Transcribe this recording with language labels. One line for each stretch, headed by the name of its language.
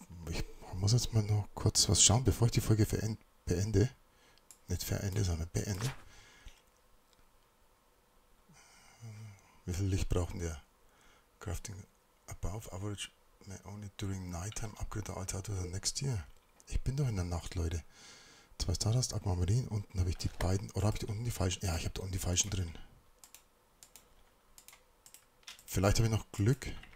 German: Ich muss jetzt mal noch kurz was schauen, bevor ich die Folge beende. Nicht verende, sondern beende. Wie viel Licht brauchen wir?
English: Crafting above average, may only during nighttime upgrade altar to the next year.
German: Ich bin doch in der Nacht, Leute. Zwei Stardust, Aquamarine, unten habe ich die beiden. Oder habe ich unten die falschen? Ja, ich habe da unten die falschen drin. Vielleicht habe ich noch Glück.